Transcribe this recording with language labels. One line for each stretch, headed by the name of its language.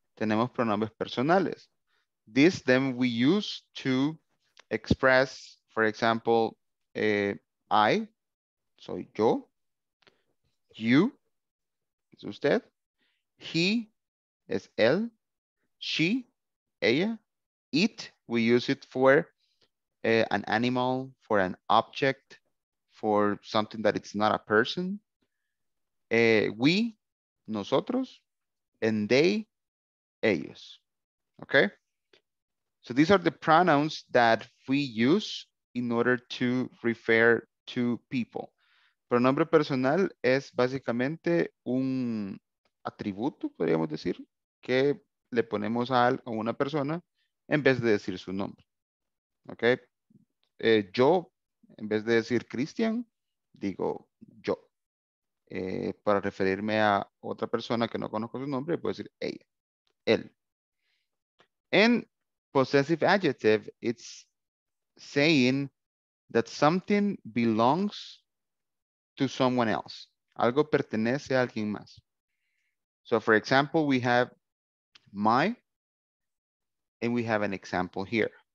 Spanish: Tenemos pronombres personales.
English: This then we use to express, for example, I,
Spanish: soy yo,
English: you,
Spanish: es usted,
English: he,
Spanish: es él,
English: she, ella, it, we use it for an animal, for an object, for something that it's not a person. We,
Spanish: nosotros,
English: and they,
Spanish: ellos.
English: Okay? So these are the pronouns that we use in order to refer to people.
Spanish: Pronombre personal es básicamente un atributo, podríamos decir, que le ponemos a una persona en vez de decir su nombre. Okay? Yo, en vez de decir Cristian, digo yo. Para referirme a otra persona que no conozco su nombre, puedo decir ella, él.
English: And possessive adjective, it's saying that something belongs to someone else.
Spanish: Algo pertenece a alguien más.
English: So for example, we have my, and we have an example here.